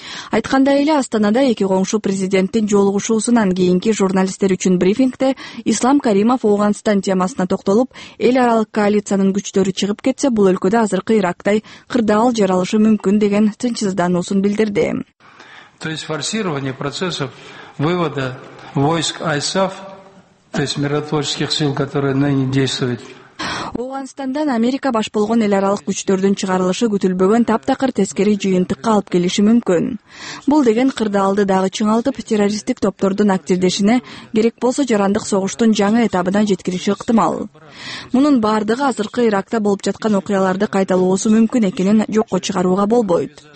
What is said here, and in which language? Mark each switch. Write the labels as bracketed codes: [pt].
[ky] Айткандай эле Астанада эки коңшу президенттин жолугушуусунан кийинки журналисттер үчүн брифингде Ислам Каримов Ооганстан темасына токтолуп, эл аралык коалициянын күчтөрү чыгып кетсе, бул өлкөдө азыркы Ирактай кырдаал жаралышы мүмкүн деген тынчсыздануусун билдирди. [ru] То есть форсирование процессов вывода войск ISAF, то есть миротворческих сил, которые ныне действуют. [ky] Ооганстандан Америка баш болгон эл аралык күчтөрдүн чыгарылышы күтүлбөгөн таптакыр тескери жыйынтыкка алып келиши мүмкүн. Бул деген кырдаалды дагы чыңалтып, террористтик топтордун активдешине, керек болсо жарандык согуштун жаңы этабына жеткириши ыктымал. Мунун баардыгы азыркы Иракта болуп жаткан окуяларды кайталоосу мүмкүн экенин жокко чыгарууга болбойт.